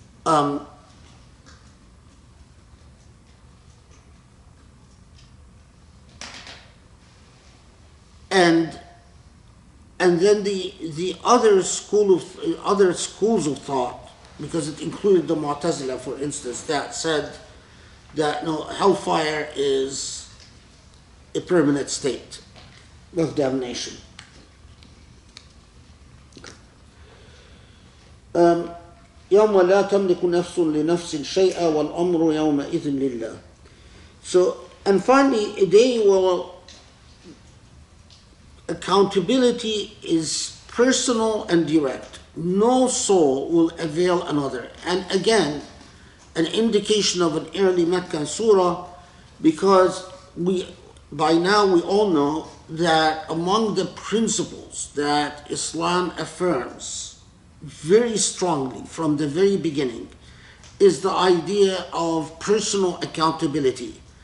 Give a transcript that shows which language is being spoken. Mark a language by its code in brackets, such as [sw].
[en] And then the other schools of thought, because it included the Mu'tazila, for instance, that said that no, hellfire is a permanent state of damnation. [ar] يوم لا تملك نفس لنفس شيئا والأمر يومئذ لله. [en] So, and finally, a day where accountability is personal and direct. No soul will avail another. And again, an indication of an early Meccan surah, because we, by now we all know that among the principles that Islam affirms very strongly from the very beginning is the idea of personal accountability.